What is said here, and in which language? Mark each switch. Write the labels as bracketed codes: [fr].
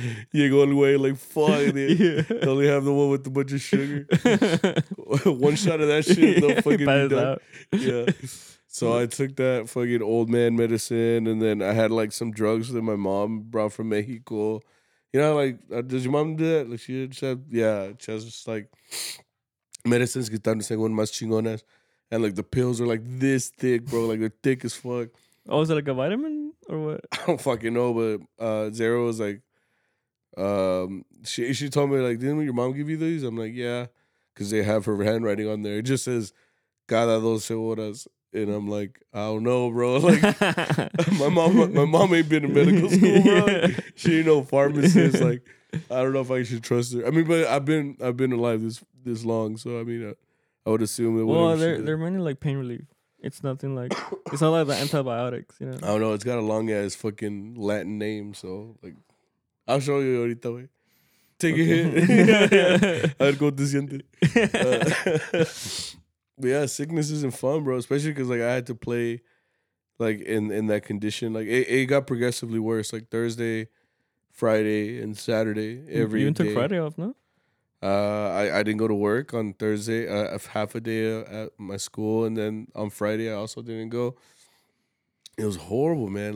[en] Diego all the way, like, fine. Yeah. They only have the one with a bunch of sugar. One shot of that shit, they'll fucking be done. Out. Yeah. So I took that fucking old man medicine, and then I had like some drugs that my mom brought from Mexico. You know, like, does your mom do that? Like, she has just like medicines [es] que están según más chingonas. [en] And like the pills are like this thick, bro. Like, they're thick as fuck. Oh, is it like a vitamin or what? I don't fucking know, but Zara was like, she told me, like, didn't your mom give you these? I'm like, yeah, because they have her handwriting on there. It just says, [es] cada 12 horas. [en] And I'm like, I don't know, bro. Like, my mom ain't been in medical school, bro. Yeah. She ain't no pharmacist. Like, I don't know if I should trust her. I mean, but I've been alive this long, so I mean, I would assume it. Well, they're mainly like pain relief. It's nothing like it's not like the antibiotics, you know. I don't know. It's got a long ass fucking Latin name, so like, I'll show you ahorita. Wey. Take a hit. [es] A ver cómo te sientes. [en] But yeah, sickness isn't fun, bro, especially because, like, I had to play, like, in that condition. Like, it got progressively worse, like, Thursday, Friday, and Saturday every day. You even day. Took Friday off, no? I didn't go to work on Thursday. Half a day at my school, and then on Friday, I also didn't go. It was horrible, man.